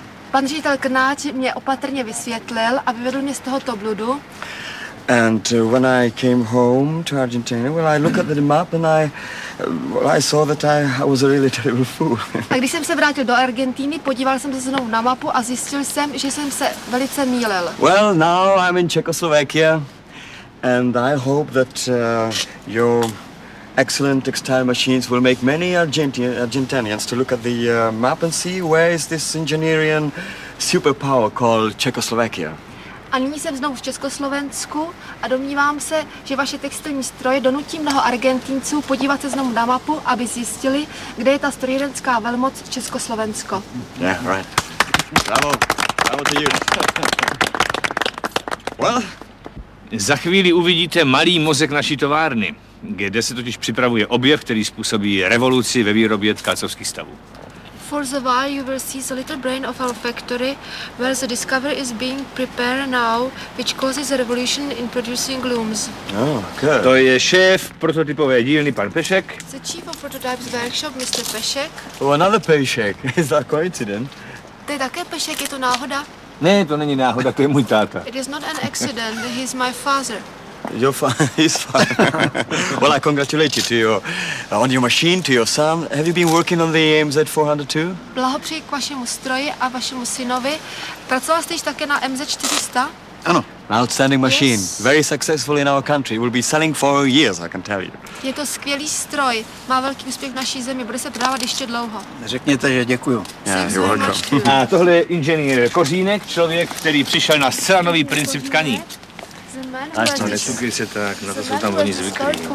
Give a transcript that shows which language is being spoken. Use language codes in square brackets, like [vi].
[cs] Pan ředitel Krnáč mě opatrně vysvětlil a vyvedl mě z tohoto bludu. [en] And when I came home to Argentina, well, I looked at the map and I saw that I was a really terrible fool. [cs] A když jsem se vrátil do Argentiny, podíval jsem se znovu na mapu a zjistil jsem, že jsem se velice mýlil. [en] Well, now I'm in Czechoslovakia and I hope that your excellent textile machines will make many Argentinians to look at the map and see where is this engineering superpower called Czechoslovakia. [cs] A nyní jsem znovu v Československu a domnívám se, že vaše textilní stroje donutí mnoho Argentinců podívat se znovu na mapu, aby zjistili, kde je ta strojírenská velmoc Československo. [en] Yeah, right. Bravo. Bravo to you. Well, [cs] za chvíli uvidíte malý mozek naší továrny, kde se totiž připravuje objev, který způsobí revoluci ve výrobě tkácovských stavů. [en] For the while you will see the little brain of our factory where the discovery is being prepared now, which causes a revolution in producing looms. Oh, good. [cs] To je šéf prototypové dílny, pan Pešek. [en] The chief of prototypes workshop, Mr. Pešek. Oh, another Pešek. Is that coincidence? [cs] To je také Pešek, je to náhoda? Ne, to není náhoda, to je můj táta. [en] It is not an accident, he is my father. Your father is fine. Well, I congratulate you to your on your machine, to your son. Have you been working on the MZ-402? [cs] Blahopřeji k vašemu stroji a vašemu synovi. Pracoval jste již také na MZ-400? [en] Ano. An outstanding machine. Yes. Very successful in our country. It will be selling for years, I can tell you. [cs] Je to skvělý stroj. Má velký úspěch v naší zemi. Bude se prodávat ještě dlouho. Řekněte, že děkuju. [en] Yeah, you're welcome. [cs] A tohle je inženýr Kořínek, člověk, který přišel na zcela nový princip tkaní. A to nesukuj se tak, na to jsou tam oni zvyklí.